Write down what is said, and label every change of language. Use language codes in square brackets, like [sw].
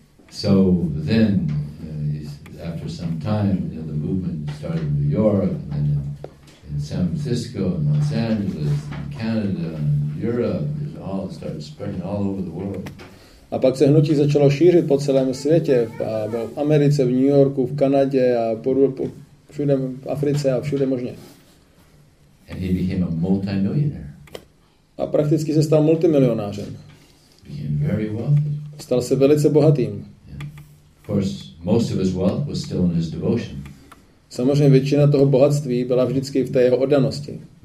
[en] So then, after some time, the movement started in New York, and San Francisco, and Los Angeles, and Canada, and Europe, it all started spreading all over the world. [cs] A pak se hnutí začalo šířit po celém světě, v Americe, v New Yorku, v Kanadě a po všude v Africe a všude možně. [en] And he became a multimillionaire. [cs] A prakticky se stal multimilionářem. [en] Became very wealthy. [cs] Stal se velice bohatým. [en] Yeah. Of course, most of his wealth was still in his devotion. [cs] Samozřejmě většina toho bohatství byla vždycky v té jeho oddanosti.